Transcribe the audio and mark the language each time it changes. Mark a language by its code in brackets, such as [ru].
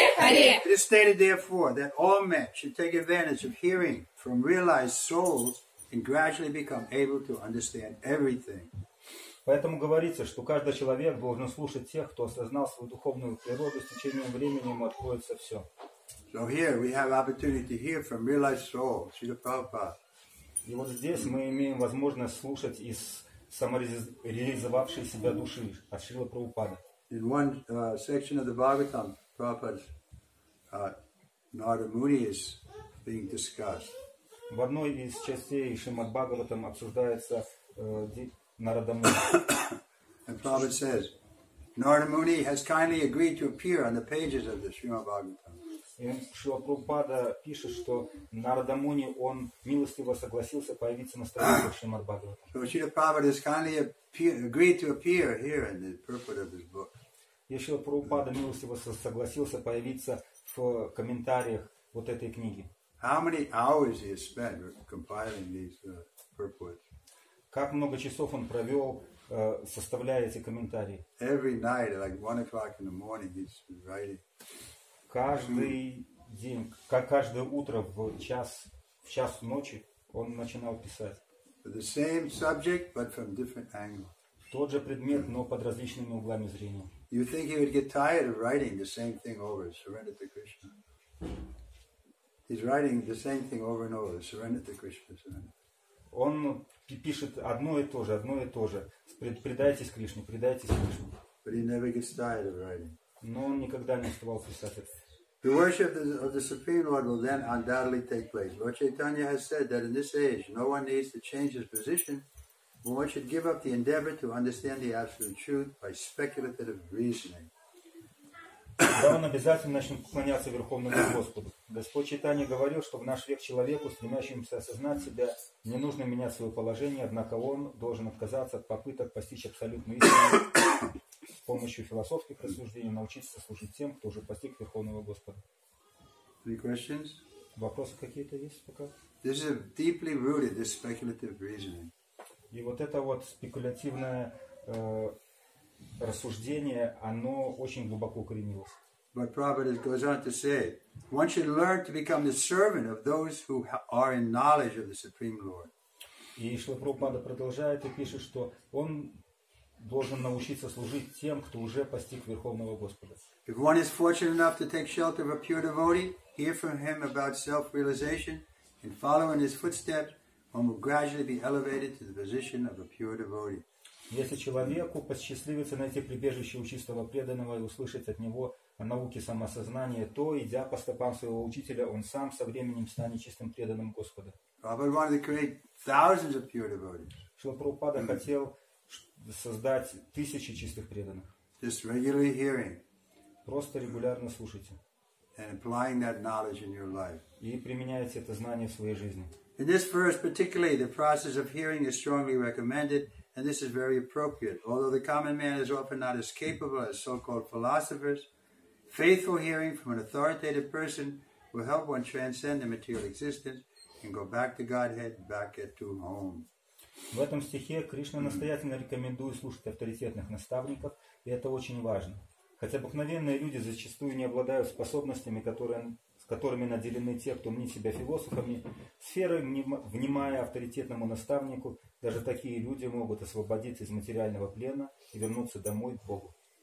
[en] It is stated, therefore, that all men should take advantage of hearing from realized souls and gradually become able to understand everything. [ru] Поэтому говорится, что каждый человек должен слушать тех, кто осознал свою духовную природу, с течением времени ему откроется все. [en] So here we have opportunity to hear from realized souls, Srila Prabhupada. [ru] И вот здесь мы имеем возможность слушать из самореализовавшей себя души от Шрила Прабхупады. [en] In one section of the Bhagavatam, Prabhupada Narada Muni is being discussed. [ru] В одной из частей Шримад Бхагаватам обсуждается Нарада Муни. [en] And Prabhupada says, Narada Muni has kindly agreed to appear on the pages of the Shrimad Bhagavatam. [ru] И Шрила Прабхупада пишет, что Нарада Муни, он милостиво согласился появиться на страницах Шримад Бхагаватам. [en] So Shrila Prabhupada has kindly agreed to appear here in the purport of this book. [ru] И Шрила Прабхупада милостиво согласился появиться в комментариях вот этой книги. [en] How many hours he has spent compiling these purports? [ru] Как много часов он провел, составляя эти комментарии? [en] Every night, at like 1 o'clock in the morning, he's writing. [ru] Каждый день, как каждое утро в час ночи он начинал писать. [en] The same subject, but from different angles. [ru] Тот же предмет, но под различными углами зрения. [en] You think he would get tired of writing the same thing over, surrender to Krishna? He's writing the same thing over and over, surrender to Krishna. [ru] Он пишет одно и то же, одно и то же. Предайтесь Кришне, предайтесь Кришне. [en] But he never gets tired of writing. [ru] Но он никогда не уставал писать это. [en] The worship of the Supreme Lord will then undoubtedly take place. Lord Chaitanya has said that in this age, no one needs to change his position. One should give up the endeavor to understand the absolute truth by speculative reasoning. [ru] Да, он обязательно начнет поклоняться Верховному Господу. Господь Чайтанья говорил, что в наш век человеку, стремящемуся осознать себя, не нужно менять свое положение, однако он должен отказаться от попыток постичь абсолютную истину с помощью философских рассуждений, научиться служить тем, кто уже постиг Верховного Господа. [en] Any questions? [ru] Вопросы какие-то есть пока? [en] This is deeply rooted, this speculative reasoning. [ru] И вот это вот спекулятивное рассуждение, оно очень глубоко укоренилось. [en] But Prabhupada goes on to say, one should learn to become the servant of those who are in knowledge of the Supreme Lord. [ru] И Шрила Прабхупада продолжает и пишет, что он должен научиться служить тем, кто уже постиг Верховного Господа. [en] If one is fortunate enough to take shelter of a pure devotee, hear from him about self-realization, and follow in his footsteps, one will gradually be elevated to the position of a pure devotee. [ru] Если человеку посчастливится найти прибежище у чистого преданного и услышать от него о науке самосознания, то, идя по стопам своего учителя, он сам со временем станет чистым преданным Господа. [en] Prabhupada wanted to create thousands of pure devotees. [ru] Шрила Прабхупада хотел создать тысячи чистых преданных. [en] Just regularly hearing. [ru] Просто регулярно слушайте. [en] And applying that knowledge in your life. [ru] И применяйте это знание в своей жизни. [en] In this verse particularly, the process of hearing is strongly recommended. And this is very appropriate. Although the common man is often not as capable as so-called philosophers, faithful hearing from an authoritative person will help one transcend the material existence and go back to Godhead, back to home. [ru] В этом стихе Кришна настоятельно рекомендует слушать авторитетных наставников, и это очень важно. Хотя обыкновенные люди зачастую не обладают способностями, с которыми наделены те, кто мнит себя философами, сферой внимая авторитетному наставнику, даже такие люди могут освободиться из материального плена и вернуться домой к Богу.